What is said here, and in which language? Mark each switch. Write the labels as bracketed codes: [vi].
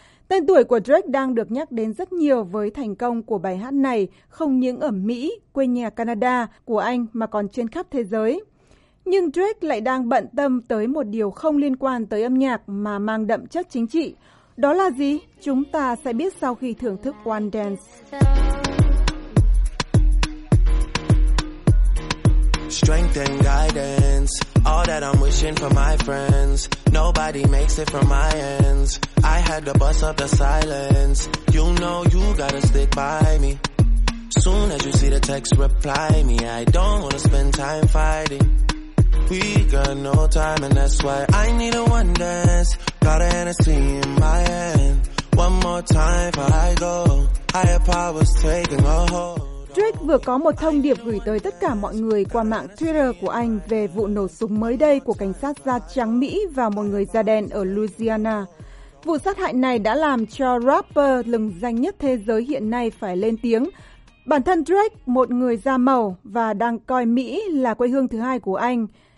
[vi] Tên tuổi của Drake đang được nhắc đến rất nhiều với thành công của bài hát này, không những ở Mỹ, quê nhà Canada của anh mà còn trên khắp thế giới. Nhưng Drake lại đang bận tâm tới một điều không liên quan tới âm nhạc mà mang đậm chất chính trị. Đó là gì? Chúng ta sẽ biết sau khi thưởng thức One Dance. [en] Strength and guidance, all that I'm wishing for my friends. Nobody makes it from my ends. I had to bust up the silence. You know you gotta stick by me. Soon as you see the text, reply me. I don't wanna spend time fighting. We got no time and that's why I need a one dance. Got a Hennessy in my hand. One more time before I go. Higher powers taking a hold. [vi] Drake vừa có một thông điệp gửi tới tất cả mọi người qua mạng Twitter của anh về vụ nổ súng mới đây của cảnh sát da trắng Mỹ vào một người da đen ở Louisiana. Vụ sát hại này đã làm cho rapper lừng danh nhất thế giới hiện nay phải lên tiếng. Bản thân Drake, một người da màu và đang coi Mỹ là quê hương thứ hai của anh.